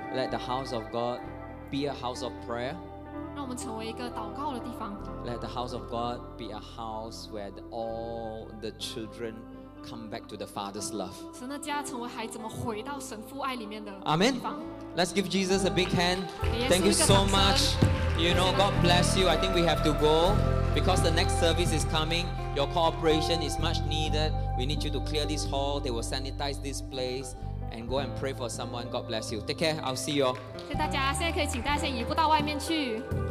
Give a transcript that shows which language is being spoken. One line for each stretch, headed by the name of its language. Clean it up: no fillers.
English: Let the house of God be a house of prayer.
Chinese: 让我们成为一个祷告的地方.
English: Let the house of God be a house where all the children come back to the Father's love. Amen. Let's give Jesus a big hand. Thank you so much. You know, God bless you. I think we have to go because the next service is coming. Your cooperation is much needed. We need you to clear this hall. They will sanitize this place and go and pray for someone. God bless you. Take care. I'll see you all.
Chinese: 谢谢大家，现在可以请大家移步到外面去。